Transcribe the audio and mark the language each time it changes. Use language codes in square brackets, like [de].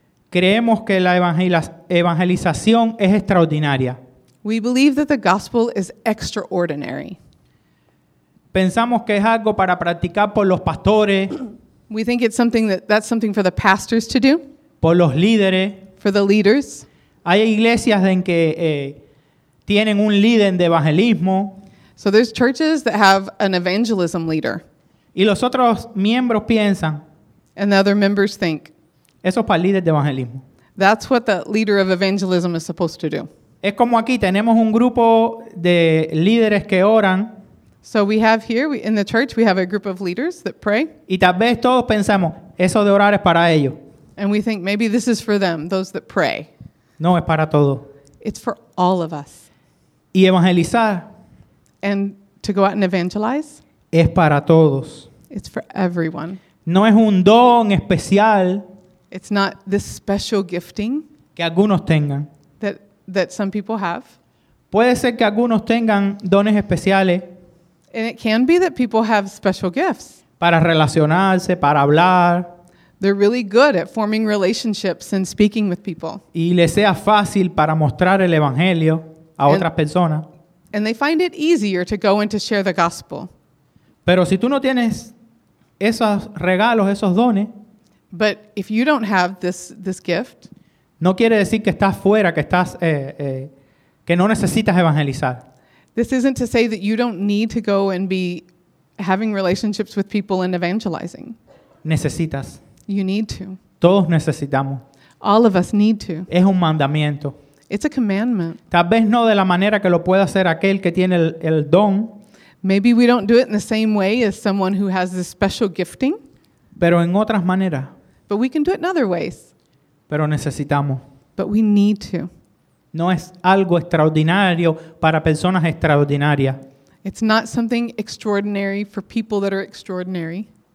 [es] Creemos que la evangelización es extraordinaria. [en] We believe that the gospel is extraordinary. [es] Pensamos que es algo para practicar por los pastores. [en] We think it's something that's something for the pastors to do. [es] Por los líderes. [en] For the leaders. [es] Hay iglesias en que tienen un líder de evangelismo. [en] So there's churches that have an evangelism leader. [es] Y los otros miembros piensan. [en] And the other members think. [es] Eso es para el líder de evangelismo. [en] That's what the leader of evangelism is supposed to do. [es] Es como aquí, tenemos un grupo de líderes que oran. [en] So we have here, in the church, we have a group of leaders that pray. [es] Y tal vez todos pensamos, eso de orar es para ellos. [en] And we think, maybe this is for them, those that pray. [es] No, es para todos. [en] It's for all of us. [es] Y evangelizar. [en] And to go out and evangelize. [es] Es para todos. [en] It's for everyone. [es] No es un don especial. [en] It's not this special gifting. [es] Que algunos tengan. [en] That some people have. [es] Puede ser que algunos tengan dones especiales. [en] And it can be that people have special gifts. [es] Para relacionarse, para hablar. [en] They're really good at forming relationships and speaking with people. [es] Y les sea fácil para mostrar el evangelio a otras personas. [en] And they find it easier to go and to share the gospel. [es] Pero si tú no tienes esos regalos, esos dones. [en] But if you don't have this gift. [es] No quiere decir que estás fuera, que estás que no necesitas evangelizar. [en] This isn't to say that you don't need to go and be having relationships with people and evangelizing. [es] Necesitas. [en] You need to. [es] Todos necesitamos. [en] All of us need to. [es] Es un mandamiento. [en] It's a commandment. [es] Tal vez no de la manera que lo pueda hacer aquel que tiene el don. [en] Maybe we don't do it in the same way as someone who has this special gifting. [es] Pero en otras maneras. [en] But we can do it in other ways. [es] Pero necesitamos. [en] But we need to. [es] No es algo extraordinario para personas extraordinarias. [en] It's not something extraordinary for people that are extraordinary.